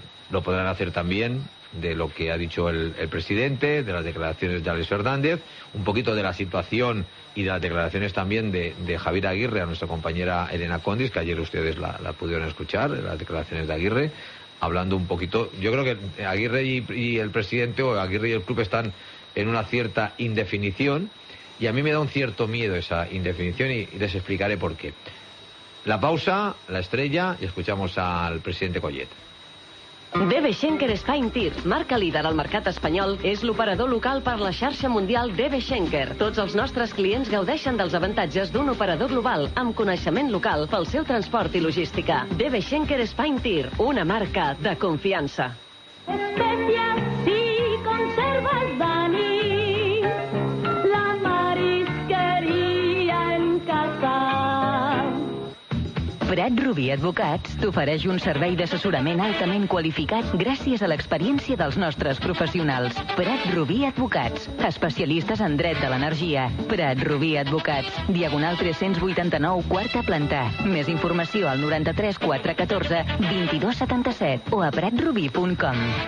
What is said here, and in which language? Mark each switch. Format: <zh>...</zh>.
<es>Lo podrán hacer también de lo que ha dicho el presidente, de las declaraciones de Alex Fernández, un poquito de la situación y de las declaraciones también de Javier Aguirre a nuestra compañera Elena Condis, que ayer ustedes la pudieron escuchar, las declaraciones de Aguirre, hablando un poquito. Yo creo que Aguirre y el presidente, o Aguirre y el club, están en una cierta indefinición y a mí me da un cierto miedo esa indefinición y les explicaré por qué. La pausa, la estrella y escuchamos al presidente Collet.</es> <ca>DB Schenker Spine Tears, marca líder al mercat espanyol, és l'operador local per la xarxa mundial DB Schenker. Tots els nostres clients gaudeixen dels avantatges d'un operador global amb coneixement local pel seu transport i logística. DB Schenker Spine Tears, una marca de confiança.</ca> <es>Especias y conservas Dani, la marisquería en casa.</es> <ca>Prat Rubí Advocats t'ofereix un servei d'assessorament altament qualificat gràcies a l'experiència dels nostres professionals. Prat Rubí Advocats, especialistes en dret de l'energia. Prat Rubí Advocats, Diagonal 389, quarta planta. Més informació al 93 414 2277 o a pratrubí.com.</ca>